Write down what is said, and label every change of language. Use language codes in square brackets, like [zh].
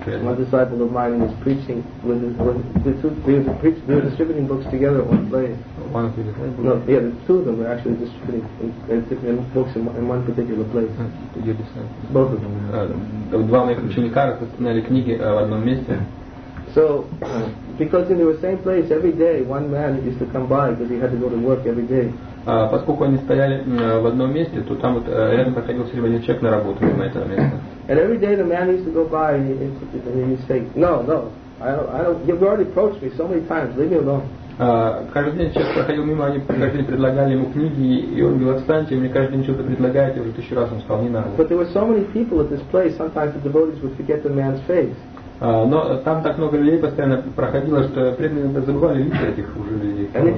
[en] One disciple of mine was preaching we were distributing books together at one place. One of the disciples? No, yeah, the two of them were actually distributing books in one particular place. Your disciples? Both of them. [ru] Два моих ученика распространяли книги в одном месте. [en] So, because in the same place every day, one man used to come by because he had to go to work every day. [ru] Поскольку они стояли в одном месте, то там вот рядом проходил все время один человек на работу, на это место. [en] And every day the man used to go by and he'd say, "No, I don't. You've already approached me so many times. Leave me alone." [ru] Каждый день человек проходил мимо, они каждый день предлагали ему книги, и он говорил: «Отстаньте, мне каждый день что-то предлагаете». Уже тысячу раз он сказал: «Не надо». [en] But there were so many people at this place. Sometimes the devotees would forget the man's face. [ru] Но там так много людей постоянно проходило, что преданные забывали лица этих уже людей.